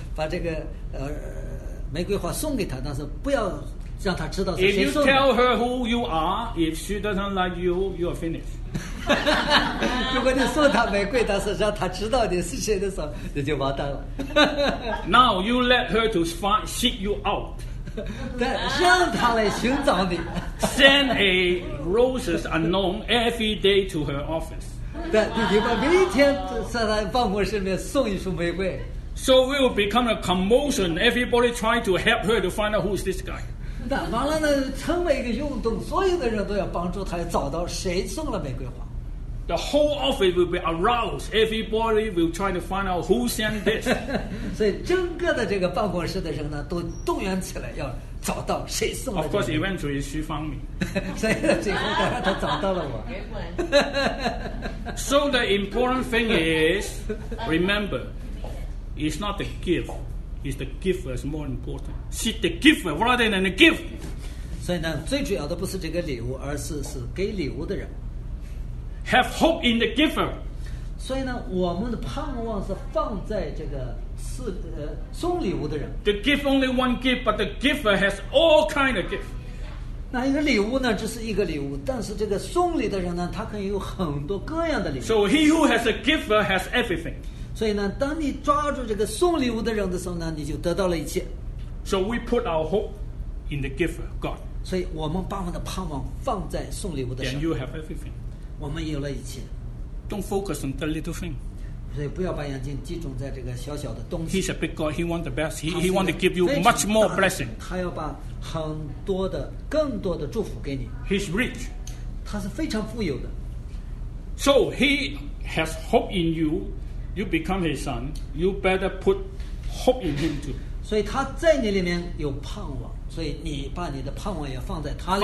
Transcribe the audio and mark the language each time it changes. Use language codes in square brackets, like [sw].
[zh] 把这个玫瑰花送给她，但是不要让她知道是谁送的。 [en] If you tell her who you are, if she doesn't like you, you are finished. [zh] 如果你送她玫瑰，但是让她知道你是谁的时候，你就完蛋了。 [en] Now you let her to find seek you out. [zh] 让他来寻找你。 [en] Send a roses unknown every day to her office. [zh] 对，你把每天在他办公室里面送一束玫瑰。 [en] So we will become a commotion. Everybody trying to help her to find out who is this guy. [zh] 那完了呢，成为一个运动，所有的人都要帮助他找到谁送了玫瑰花。 [en] The whole office will be aroused. Everybody will try to find out who sent this. [zh] 所以整个的这个办公室的人呢，都动员起来，要找到谁送的、这个。 [en] Of course, eventually, 徐芳敏。 [zh] 所以最后他找到了我。 [en] So the important thing is, remember, it's not the gift, it's the giver is more important. See the giver rather than the gift. [zh] 所以呢，最主要的不是这个礼物，而是给礼物的人。 [en] Have hope in the giver. [zh] 所以呢，我们的盼望是放在这个是送礼物的人。 [en] The gift only one gift, but the giver has all kind of gift. [zh] 那一个礼物呢，只是一个礼物，但是这个送礼的人呢，他可以有很多各样的礼物。 [en] So he who has a giver has everything. [zh] 所以呢，当你抓住这个送礼物的人的时候呢，你就得到了一切。 [en] So we put our hope in the giver, God. [zh] 所以我们把我们的盼望放在送礼物的人。 [en] Then you have everything. [zh] 我们有了一切。 [en] Don't focus on the little thing. [zh] 所以不要把眼睛集中在这个小小的东西。 [en] He's a big God. He wants the best. He wants to give you much more blessing. [zh] 他要把很多的、更多的祝福给你。 [en] He's rich. [zh] 他是非常富有的。 [en] So he has hope in you. You become his son. You better put hope in him too. [zh] 所以他在你里面有盼望，所以你把你的盼望也放在他里